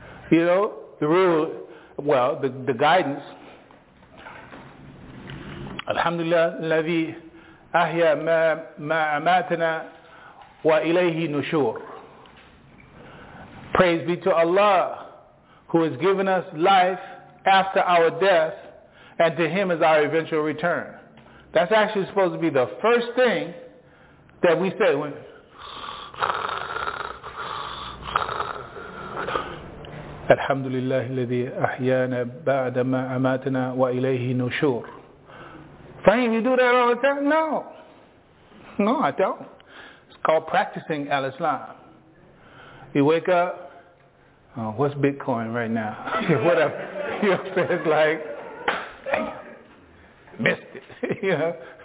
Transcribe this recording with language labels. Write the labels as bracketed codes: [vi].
[en] You know, the rule, well, the guidance, Alhamdulillah, [ar] الذي أحيا ما أماتنا وإليه نشور. [en] Praise be to Allah, who has given us life after our death, and to Him is our eventual return. That's actually supposed to be the first thing that we say. When [ar] Alhamdulillah, الذي أحيانا بعدما أماتنا وإليه نشور. [en] Fahim, you do that all the time? No. No, I don't. It's called practicing al-Islam. You wake up, what's Bitcoin right now? Whatever. You know what I'm saying? It's like, damn, missed it. You know?